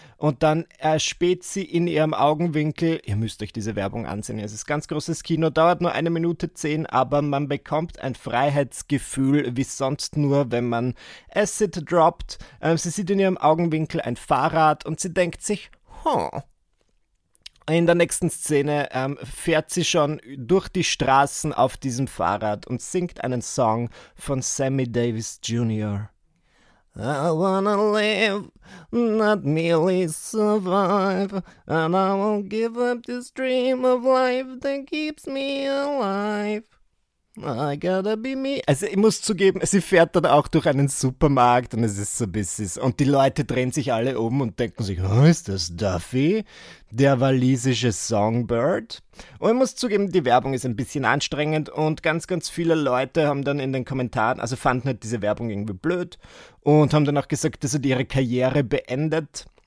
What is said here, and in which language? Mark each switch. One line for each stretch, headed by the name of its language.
German: Und dann erspäht sie in ihrem Augenwinkel, ihr müsst euch diese Werbung ansehen, es ist ganz großes Kino, dauert nur 1 Minute 10, aber man bekommt ein Freiheitsgefühl wie sonst nur, wenn man Acid droppt. Sie sieht in ihrem Augenwinkel ein Fahrrad und sie denkt sich, In der nächsten Szene fährt sie schon durch die Straßen auf diesem Fahrrad und singt einen Song von Sammy Davis Jr.
English: I wanna live, not merely survive, and I won't give up this dream of life that keeps me alive. I gotta be me.
German: Also ich muss zugeben, sie fährt dann auch durch einen Supermarkt und es ist so bissig. Und die Leute drehen sich alle um und denken sich, oh, ist das Duffy? Der walisische Songbird? Und ich muss zugeben, die Werbung ist ein bisschen anstrengend und ganz, ganz viele Leute haben dann in den Kommentaren, also fanden halt diese Werbung irgendwie blöd und haben dann auch gesagt, das hat ihre Karriere beendet.